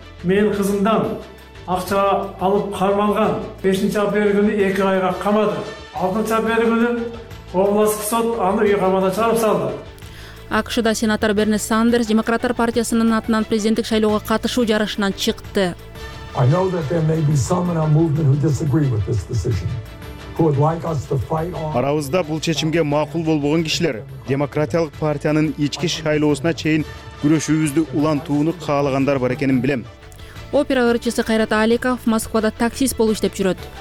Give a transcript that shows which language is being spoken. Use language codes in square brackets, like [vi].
[ky] Мен кызымдан акча алып кармалган 5 апрель күнү 2 айга камады. 6 апрель күнү облыстык сот аны үй камоодо чыгарып салды. АКШ-да сенатор Берни Сандерс Демократтар партиясынын атынан президенттик шайлоого катышуу жарышынан чыкты. [en] I know that there may be some in our movement who disagree with this decision. [ky] Арабызда бул чечимге макул болбогон кишилер Демократиялык партиянын ички шайлоосуна чейин күрөшүбүздү улантууну каалагандар бар экенин билем. Опера ырчысы Кайрат Аликов Москвада таксист болуп иштеп жүрөт.